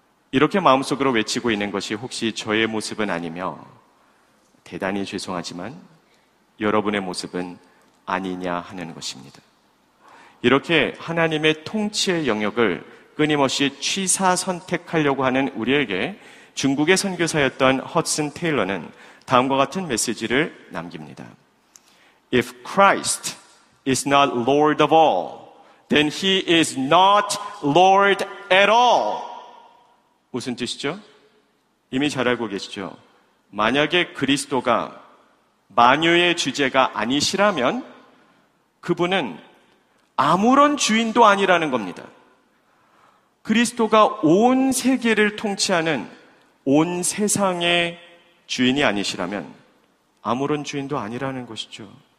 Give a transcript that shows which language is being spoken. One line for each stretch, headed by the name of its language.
Korean: 이렇게 마음속으로 외치고 있는 것이 혹시 저의 모습은 아니며, 대단히 죄송하지만 여러분의 모습은 아니냐 하는 것입니다. 이렇게 하나님의 통치의 영역을 끊임없이 취사선택하려고 하는 우리에게 중국의 선교사였던 허슨 테일러는 다음과 같은 메시지를 남깁니다.
English: If Christ is not Lord of all, then he is not Lord at all.
Korean: 무슨 뜻이죠? 이미 잘 알고 계시죠? 만약에 그리스도가 만유의 주제가 아니시라면 그분은 아무런 주인도 아니라는 겁니다. 그리스도가 온 세계를 통치하는 온 세상의 주인이 아니시라면 아무런 주인도 아니라는 것이죠.